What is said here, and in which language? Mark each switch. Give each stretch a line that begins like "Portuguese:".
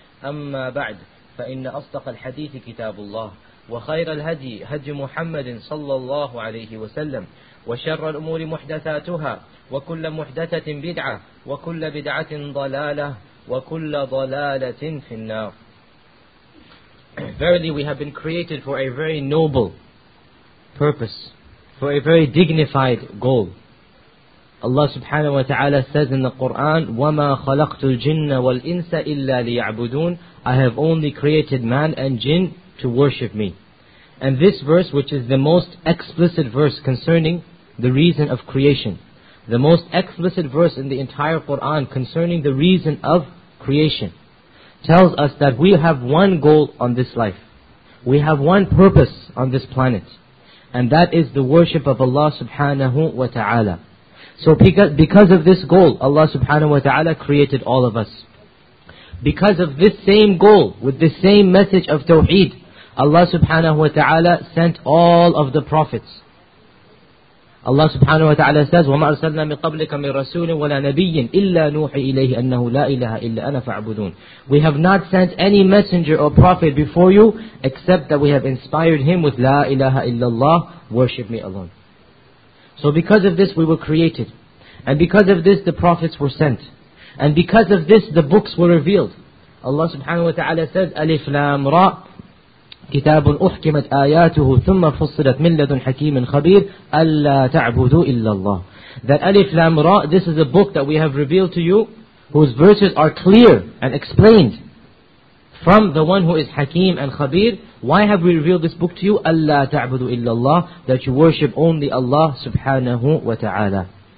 Arabic: أما بعد فإن أصدق الحديث كتاب الله وخير الهدي هدي محمد صلى الله عليه وسلم وشر الأمور محدثاتها وكل محدثة بدعة وكل بدعة ضلالة وكل ضلالة في النار.
English: Verily we have been created for a very noble purpose, for a very dignified goal. Allah subhanahu wa ta'ala says in the Qur'an,
Arabic: وَمَا خَلَقْتُ الْجِنَّ وَالْإِنسَ إِلَّا لِيَعْبُدُونَ.
English: I have only created man and jinn to worship me. And this verse, which is the most explicit verse concerning the reason of creation, the most explicit verse in the entire Qur'an concerning the reason of creation, tells us that we have one goal on this life. We have one purpose on this planet. And that is the worship of Allah subhanahu wa ta'ala. So because of this goal, Allah subhanahu wa ta'ala created all of us. Because of this same goal, with the same message of Tawheed, Allah subhanahu wa ta'ala sent all of the prophets.
Arabic: Allah subhanahu wa ta'ala
English: says,
Arabic: وَمَا أَرْسَلْنَا مِنْ قَبْلِكَ مِنْ رَسُولٍ وَلَا نَبِيٍّ إِلَّا نُوحِي إِلَيْهِ أَنَّهُ لَا إِلَهَ إِلَّا أَنَا فَعْبُدُونَ.
English: We have not sent any messenger or prophet before you, except that we have inspired him with
Arabic: لَا إِلَهَ إِلَّا اللَّهِ,
English: worship me alone. So because of this we were created. And because of this the prophets were sent. And because of this the books were revealed.
Arabic: Allah subhanahu wa ta'ala
English: says,
Arabic: أَلِفْ لَامْ رَا كتاب أحكمت آياته ثم فصلت من لدن حكيم خبير ألا تعبدوا إلا الله.
English: That Alif Lam Ra, this is a book that we have revealed to you, whose verses are clear and explained from the one who is Hakim and Khabir. Why have we revealed this book to you?
Arabic: ألا تعبدوا إلا الله,
English: that you worship only Allah subhanahu wa ta'ala.